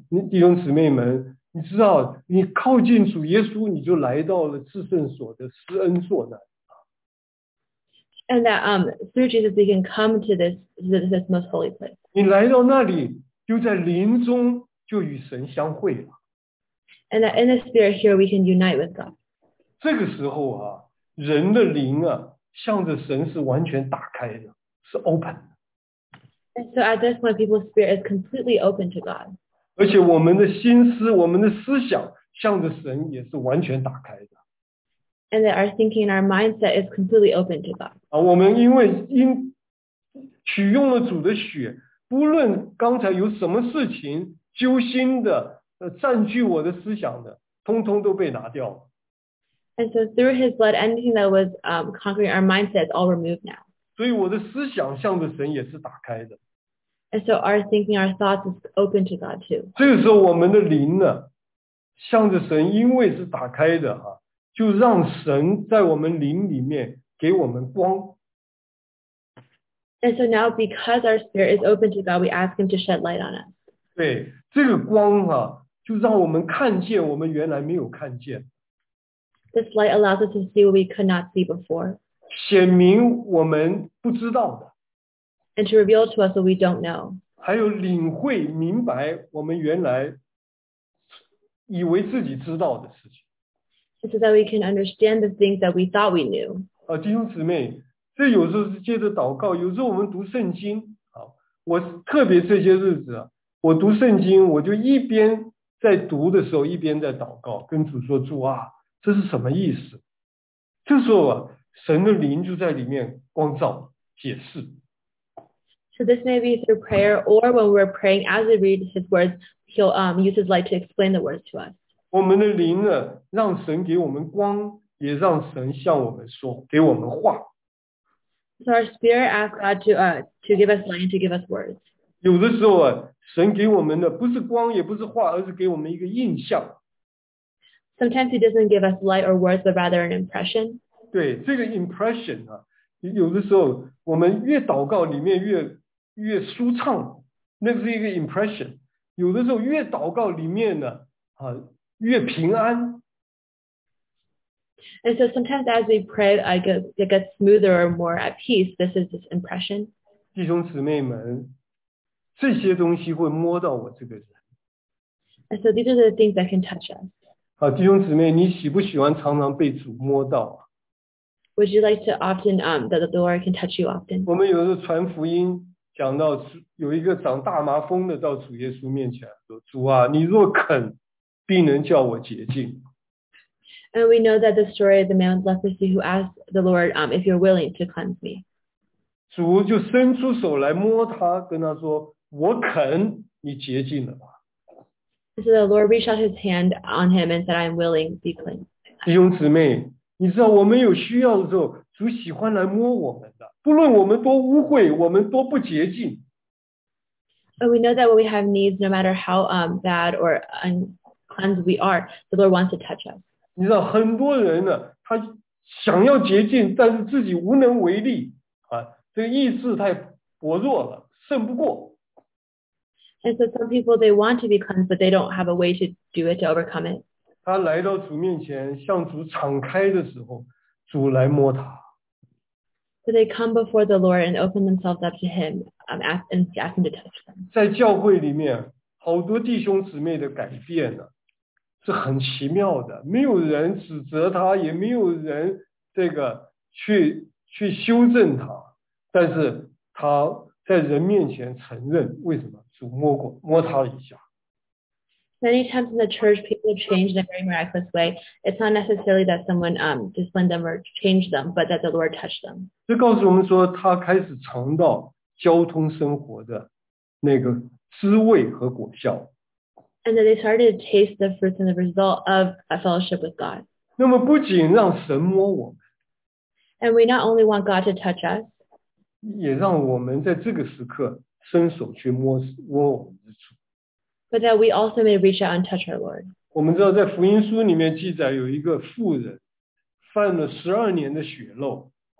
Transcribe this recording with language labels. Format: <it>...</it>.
<zh>弟兄姊妹们，你知道，你靠近主耶稣，你就来到了至圣所的施恩座那。</zh> <en>And that through Jesus, we can come to this most holy place.</en> <zh>你来到那里，就在林中就与神相会了。</zh> <en>And that in the spirit here, we can unite with God.</en> <zh>这个时候啊，人的灵啊，向着神是完全打开的，是 open 的。</zh> <en>And so at this point, people's spirit is completely open to God.</en> <zh>而且我们的心思，我们的思想，向着神也是完全打开的。</zh> <en>And that our thinking and our mindset is completely open to God.</en> <zh>啊，我们因为因取用了主的血，不论刚才有什么事情揪心的。占据我的思想的，通通都被拿掉了。</zh> <en>And so through his blood, anything that was conquering our mindset is all removed now.</en> <zh>所以我的思想向着神也是打开的。</zh> <en>And so our thinking, our thoughts is open to God too.</en> <zh>这个时候我们的灵呢，向着神，因为是打开的啊，就让神在我们灵里面给我们光。</zh> <en>And so now because our spirit is open to God, we ask him to shed light on us.</en> <zh>对，这个光啊。就让我们看见我们原来没有看见。</zh> <en>This light allows us to see what we could not see before.</en> <zh>显明我们不知道的。</zh> <en>And to reveal to us what we don't know.</en> <zh>还有领会明白我们原来以为自己知道的事情。</zh> <en>So that we can understand the things that we thought we knew.</en> <zh>弟兄姊妹，这有时候是借着祷告，有时候我们读圣经。我特别这些日子，我读圣经，我就一边在读的时候一边在祷告跟主说主啊这是什么意思这时候、啊、神的灵就在里面光照解释</zh> <en>So this may be through prayer or when we're praying as we read his words he'll use his light to explain the words to us</en> <zh>我们的灵呢让神给我们光也让神向我们说给我们话</zh> <en>So our spirit asks God to give us light to give us words</en> <zh>有的时候啊，神给我们的不是光，也不是话，而是给我们一个印象。</zh> <en>Sometimes he doesn't give us light or words, but rather an impression.</en> <zh>对，这个 impression 啊，有的时候我们越祷告里面越舒畅，那是一个 impression。有的时候越祷告里面呢，越平安。</zh> <en>And so sometimes as we pray, it gets smoother or more at peace. This is this impression.</en> <zh>弟兄姊妹们。这些东西会摸到我这个人。</zh> <en>And so these are the things that can touch us.</en> <zh>弟兄姊妹，你喜不喜欢常常被主摸到、啊、</zh> <en>？Would you like to often that the Lord can touch you often?</en> <zh>我们有时候传福音，讲到有一个长大麻风的到主耶稣面前说：“主啊，你若肯，必能叫我洁净。”</zh> <en>And we know that the story of the man with leprosy who asked the Lord, "If you're willing to cleanse me."</en> <zh>主就伸出手来摸他，跟他说。我肯，你洁净了吧</zh> <en>？So the Lord reached out His hand on him and said, "I'm willing, be clean."</en> <zh>弟兄姊妹，你知道我们有需要的时候，主喜欢来摸我们的，不论我们多污秽，我们多不洁净。</zh> <en>But we know that when we have needs, no matter how bad or unclean we are, the Lord wants to touch us.</en> <zh>你知道很多人呢，他想要洁净，但是自己无能为力啊，这个意志太薄弱了，胜不过。</zh> <en>And so some people, they want to be cleansed, but they don't have a way to do it, to overcome it.</en> <zh>他来到主面前向主敞开的时候主来摸他。</zh> <en>So they come before the Lord and open themselves up to him and ask him to touch them.</en> <zh>在教会里面好多弟兄姊妹的改变呢是很奇妙的没有人指责他也没有人这个去修正他但是他在人面前承认为什么主摸过摸他一下。</zh> <en>many times in the church, people change in a very miraculous way. It's not necessarily that someone disciplined them or changed them, but that the Lord touched them.</en> <zh>就告诉我们说，他开始尝到交通生活的那个滋味和果效。</zh> <en>And that they started to taste the fruits and the result of a fellowship with God.</en> <zh>那么不仅让神摸我们。</zh> <en>And we not only want God to touch us.</en> <zh>也让我们在这个时刻伸手去摸我们的主。</zh> <en>But that we also may reach out and touch our Lord.</en> <zh>我们知道在福音书里面记载有一个妇人犯了12年的血漏。</zh>